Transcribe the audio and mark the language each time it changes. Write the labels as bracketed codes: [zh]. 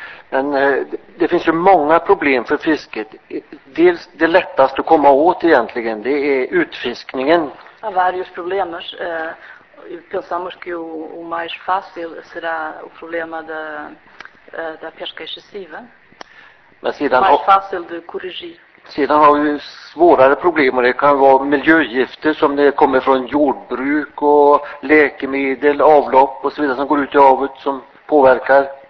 [sv] Men det finns ju många problem för fisket. Dels det lättaste att komma åt egentligen, det är utfiskningen. [pt] Há vários problemas. Pensamos que o mais fácil será o problema da pesca excessiva. [sv] Men sedan [pt] mais fácil de corrigir. [sv] Sedan har vi svårare problem, och det kan vara miljögifter som det kommer från jordbruk och läkemedel, avlopp och så vidare som går ut i havet som påverkar.